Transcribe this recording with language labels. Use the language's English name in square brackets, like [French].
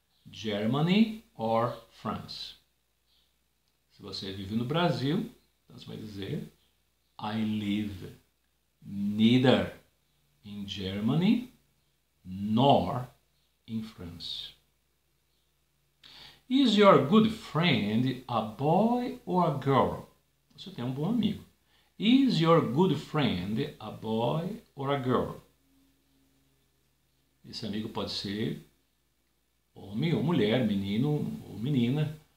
[English] Germany or France? [Portuguese] Se você vive no Brasil, você vai dizer [English] I live neither in Germany nor in France. Is your good friend a boy or a girl? [Portuguese] Você tem um bom amigo. [English] Is your good friend a boy or a girl? [Portuguese] Esse amigo pode ser homem ou mulher, menino ou menina.